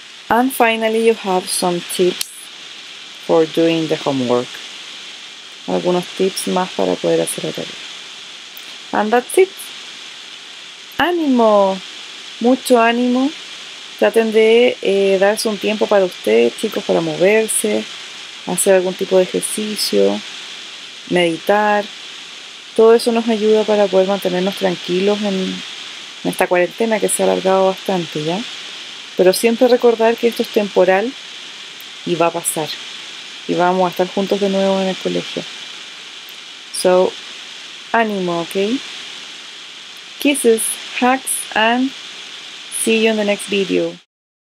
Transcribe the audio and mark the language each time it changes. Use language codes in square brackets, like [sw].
[en] And finally, you have some tips for doing the homework. [es] Algunos tips más para poder hacer la tarea. [en] And that's it. [es] ¡Ánimo! Mucho ánimo. Traten de darse un tiempo para ustedes, chicos, para moverse, hacer algún tipo de ejercicio, meditar. Todo eso nos ayuda para poder mantenernos tranquilos en esta cuarentena que se ha alargado bastante, ¿ya? Pero siempre recordar que esto es temporal y va a pasar. Y vamos a estar juntos de nuevo en el colegio. So, ánimo, ¿ok? [en] Kisses, hugs, and see you in the next video.